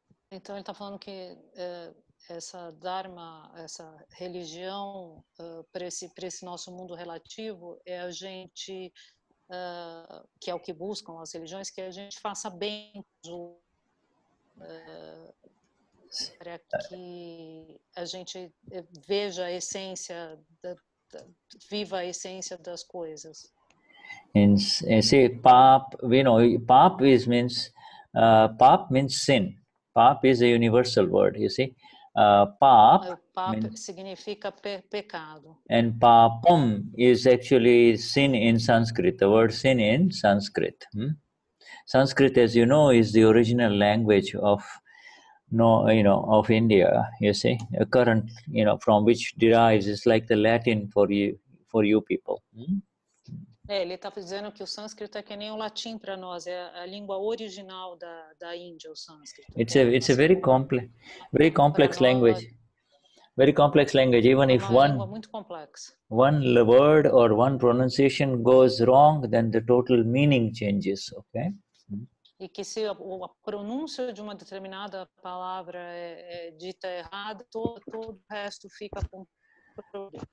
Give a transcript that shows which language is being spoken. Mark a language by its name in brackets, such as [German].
[Portuguese] Então, ele está falando que essa Dharma, essa religião, para esse nosso mundo relativo, é a gente, que é o que buscam as religiões, que a gente faça bem para que a gente veja a essência, viva a essência das coisas. [English] And say pap, we know pap is means pap means sin. Pap is a universal word. You see, pap [Portuguese] means, significa pecado. [English] And papam is actually sin in Sanskrit. The word sin in Sanskrit. Hmm? Sanskrit, as you know, is the original language of of India. You see, a current from which derives is like the Latin for you people. Hmm? [Portuguese] É, ele está dizendo que o sânscrito é que nem o latim para nós, é a língua original da Índia, o sânscrito. [English] It's a very complex language. Very complex language, even if one [Portuguese] língua muito complexa. [English] One word or one pronunciation goes wrong, then the total meaning changes, okay? [Portuguese] E que se a pronúncia de uma determinada palavra é dita errada, todo o resto fica com problema.